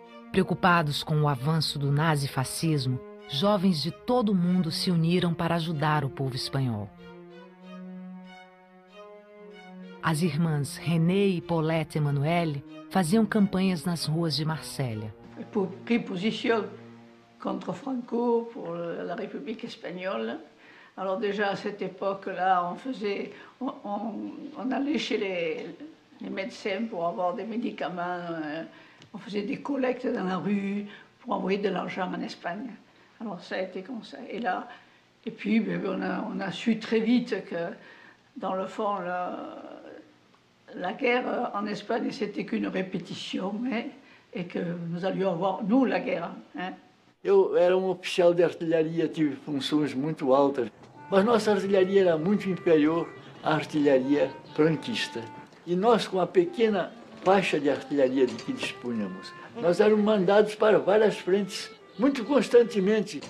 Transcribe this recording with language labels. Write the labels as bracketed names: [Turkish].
[Portuguese] Preocupados com o avanço do nazifascismo, jovens de todo o mundo se uniram para ajudar o povo espanhol. As irmãs René e Paulette Emanuele faziam campanhas nas ruas de Marselha. Pris posição contra Franco, por la República Espanhola. [French] Alors déjà à cette époque là, on allait chez les médecins pour avoir des médicaments, on faisait des collectes dans la rue pour envoyer de l'argent en Espagne. Alors ça a été comme ça. Et là, et puis on a su très vite que dans le fond là, la guerre en Espagne, c'était qu'une répétition, mais et que nous allions avoir, nous, la guerre. [Portuguese] Eu era oficial de artilharia, tive funções muito altas, mas nossa artilharia era muito inferior à artilharia franquista. E nós, com a pequena faixa de artilharia de que dispunhamos, nós éramos mandados para várias frentes, muito constantemente.